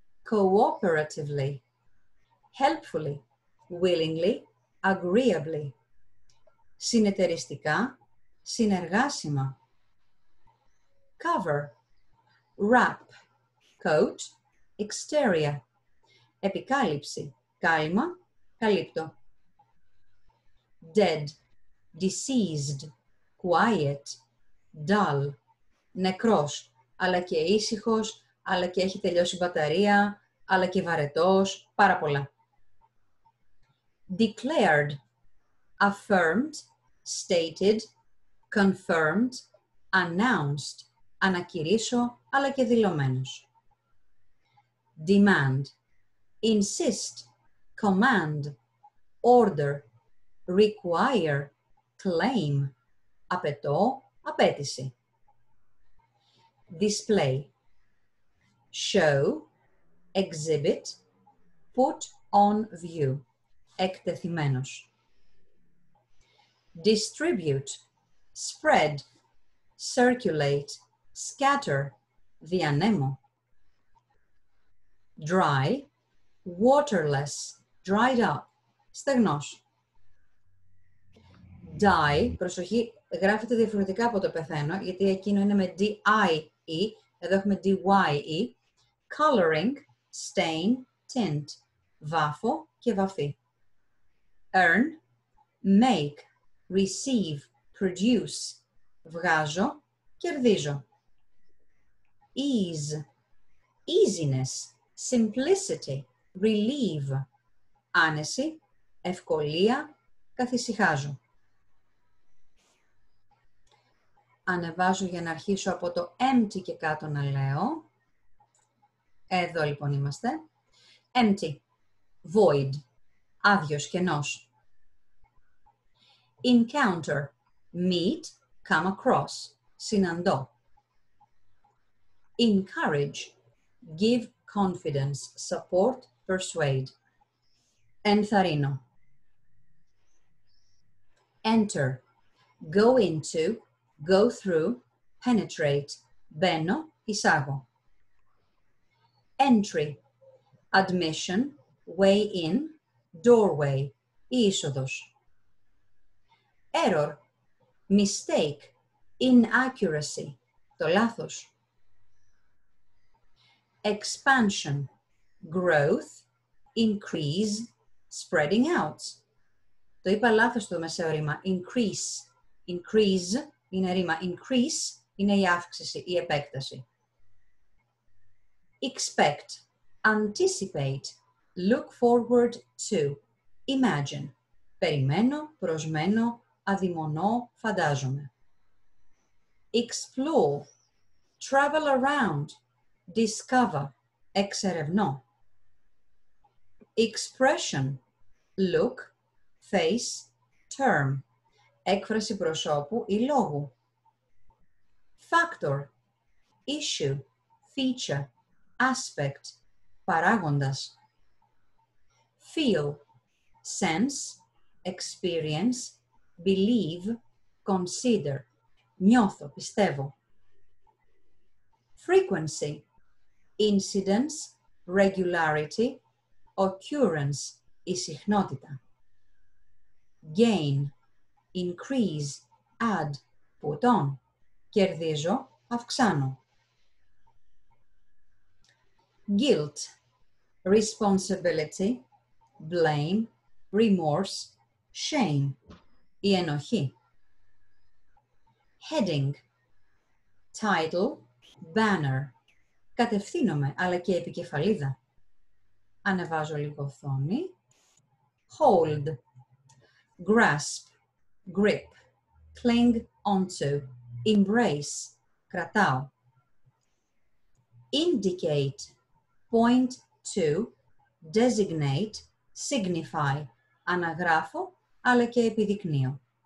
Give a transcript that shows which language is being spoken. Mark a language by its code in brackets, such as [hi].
[en] Cooperatively, helpfully, willingly, agreeably, [el] συνεταιριστικά, συνεργάσιμα. [en] Cover, wrap, coat, exterior, [el] επικάλυψη, κάλυμα, καλύπτω. [en] Dead, deceased, quiet, dull, [el] νεκρός, αλλά και ήσυχος, αλλά και έχει τελειώσει η μπαταρία, αλλά και βαρετός, πάρα πολλά. [en] Declared, affirmed, stated, confirmed, announced, [el] ανακηρύσω, αλλά και δηλωμένος. [en] Demand, insist, command, order, require, claim, [el] απαιτώ, απαίτηση. [en] Display, show, exhibit, put on view, [el] εκτεθειμένος. [en] Distribute, spread, circulate, scatter, [el] διανέμω. [en] Dry, waterless, dried up, [el] στεγνός. Die, προσοχή, γράφεται διαφορετικά από το πεθαίνω, γιατί εκείνο είναι με D-I-E Εδώ έχουμε DYE. [en] Coloring, stain, tint. [el] Βάφω και βαφή. [en] Earn, make, receive, produce. [el] Βγάζω, κερδίζω. [en] Ease, easiness, simplicity, relieve. [el] Άνεση, ευκολία, καθησυχάζω. Ανεβάζω για να αρχίσω από το empty και κάτω να λέω. Εδώ λοιπόν είμαστε. [en] Empty, void, [el] άδειος, κενός. [en] Encounter, meet, come across, [el] συναντώ. [en] Encourage, give confidence, support, persuade. [el] Ενθαρρύνω. [en] Enter, go into, go through, penetrate, [el] μπαίνω, εισάγω. [en] Entry, admission, way in, doorway, [el] είσοδος. [en] Error, mistake, inaccuracy, [el] το λάθος. [en] Expansion, growth, increase, spreading out. [el] Το είπα λάθος το μεσαίο ρήμα. [en] Increase, increase είναι ρήμα. Increase [el] είναι η αύξηση, η επέκταση. [en] Expect, anticipate, look forward to, imagine. [el] Περιμένω, προσμένω, αδειμονώ, φαντάζομαι. [en] Explore, travel around, discover, [el] εξερευνώ. [en] Expression, look, face, term, [el] έκφραση προσώπου ή λόγου. [en] Factor, issue, feature, aspect, [el] παράγοντας. [en] Feel, sense, experience, believe, consider, [el] νιώθω, πιστεύω. [en] Frequency, incidence, regularity, occurrence, [el] η συχνότητα. [en] Gain, increase, add, put on, [el] κερδίζω, αυξάνω. [en] Guilt, responsibility, blame, remorse, shame, [el] η ενοχή. [en] Heading, title, banner, [el] κατευθύνομαι, αλλά και επικεφαλίδα. Ανεβάζω λίγο οθόνη. [en] Hold, grasp, grip, cling onto, embrace, [el] κρατάω. [en] Indicate, point to, designate, signify, [el] αναγράφω, αλλά και επιδεικνύω.